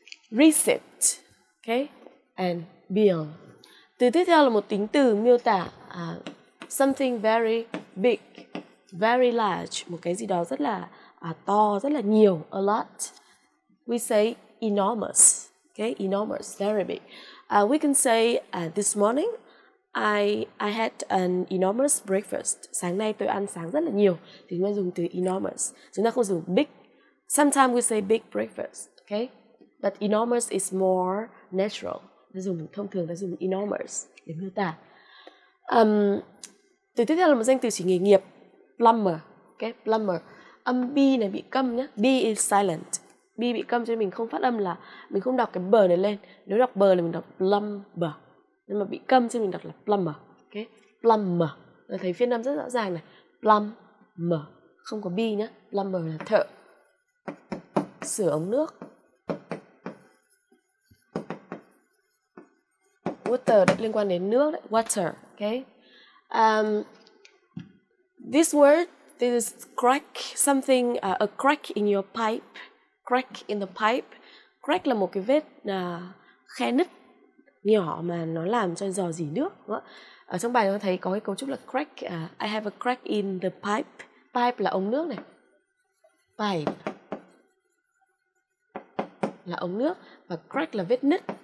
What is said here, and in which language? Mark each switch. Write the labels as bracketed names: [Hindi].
[English] Receipt, ok, and bill. [Vietnamese] Từ tiếp theo là một tính từ miêu tả [English] something very big, very large, [Vietnamese] một cái gì đó rất là to, rất là nhiều, [English] a lot. We say enormous, okay, enormous, very big. We can say this morning I had an enormous breakfast. [Vietnamese] Sáng nay tôi ăn sáng rất là nhiều, thì chúng ta dùng từ enormous. Chúng ta không dùng big. [English] Sometimes we say big breakfast, okay, but enormous is more natural. [Vietnamese] Thông thường ta dùng enormous để miêu tả. Từ tiếp theo là một danh từ chỉ nghề nghiệp, plumber, okay, plumber. Âm B này bị câm nhé, [English] B is silent. [Vietnamese] B bị câm cho nên mình không phát âm, là mình không đọc cái bờ này lên. Nếu đọc bờ là mình đọc plumber, nhưng mà bị câm cho nên mình đọc là plumber, okay. Plumber, là thấy phiên âm rất rõ ràng này. Plumber, không có B nhé. Plumber là thợ sửa ống nước. Water liên quan đến nước đấy, water, okay. [English] This word, this is crack, something, a crack in your pipe, crack in the pipe. [Vietnamese] Crack là một cái vết khe nứt nhỏ mà nó làm cho rò rỉ nước. Đúng không? Ở trong bài chúng ta thấy có cái cấu trúc là crack, [English] I have a crack in the pipe. [Vietnamese] Pipe là ống nước này. Pipe là ống nước, và crack là vết nứt.